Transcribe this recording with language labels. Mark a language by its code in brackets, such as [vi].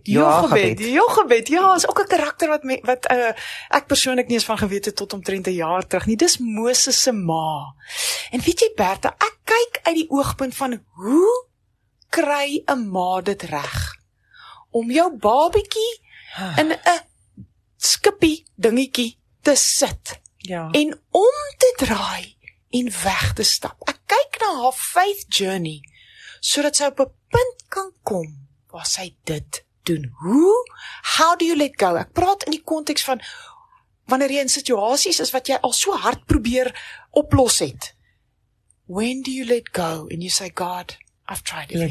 [af] Jochebed, ja, is ook 'n karakter wat my, wat ek persoonlik nie eens van geweet het tot omtrent 'n jaar terug nie. Dis Moses se ma. En weet jy Bertha, ek kyk uit die oogpunt van hoe kry 'n ma dit reg om jou babietjie in 'n skippie dingetjie te sit. Ja. En om te draai en weg te stap. Ek kyk na haar faith journey, sodat sy op 'n punt kan kom waar sy dit doen. Hoe? [en] How do you let go? [af] Ek praat in die konteks van wanneer jy in situasies is wat jy al so hard probeer oplos het. [en] When do you let go? And you say, God, I've tried it.